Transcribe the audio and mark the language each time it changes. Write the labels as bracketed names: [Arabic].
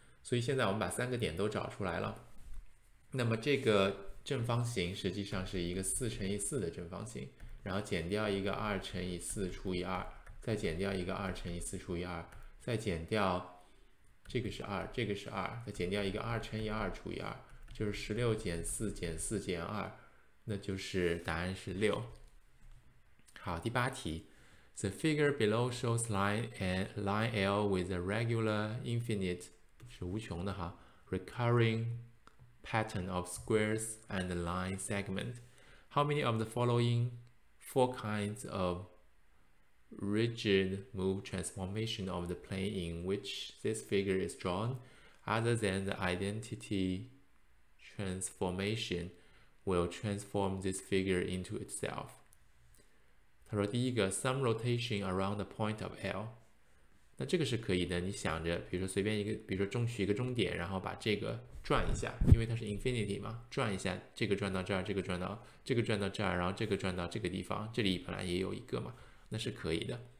[Chinese] 所以现在我们把三个点都找出来了。那么这个正方形实际上是一个四乘以四的正方形，然后减掉一个二乘以四除以二，再减掉一个二乘以四除以二，再减掉这个是二，这个是二，再减掉一个二乘以二除以二。就是16减4减4减2，那就是答案是6。 [English] 好，第八题，The figure below shows line L with a regular infinite [Chinese] 是无穷的哈 [English] recurring pattern of squares and line segment. How many of the following four kinds of rigid move transformation of the plane in which this figure is drawn, other than the identity transformation will transform this figure into itself。 [Chinese] 他说，第一个， [English] some rotation around the point of L。 [Chinese] 那这个是可以的，你想着，比如说随便一个，比如说取一个终点，然后把这个转一下，因为它是 infinity 嘛，转一下，这个转到这儿，这个转到这儿，然后这个转到这个地方，这里本来也有一个嘛，那是可以的。